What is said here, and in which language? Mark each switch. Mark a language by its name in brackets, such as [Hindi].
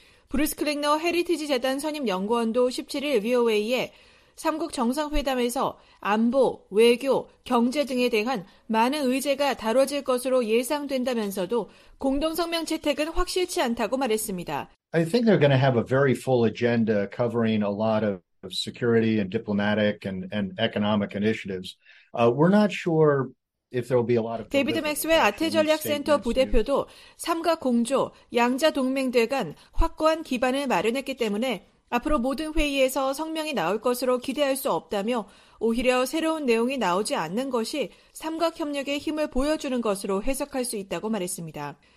[Korean] 브루스 클랭너 헤리티지 재단 선임 연구원도 17일 VOA에 3국 정상회담에서 안보, 외교, 경제 등에 대한 많은 의제가 다뤄질 것으로 예상된다면서도 공동성명 채택은 확실치 않다고 말했습니다. [English] I think they're going to have a very full agenda covering a lot of security and diplomatic and economic initiatives. We're not sure. [Korean] 데이비드 맥스웰 아태 전략센터 부대표도 삼가 공조, 양자 동맹들 간 확고한 기반을 마련했기 때문에 앞으로 모든 회의에서 성명이 나올 것으로 기대할 수 없다며 오히려 새로운 내용이 나오지 않는 것이 삼각협력의 힘을 보여주는 것으로 해석할 수 있다고 말했습니다.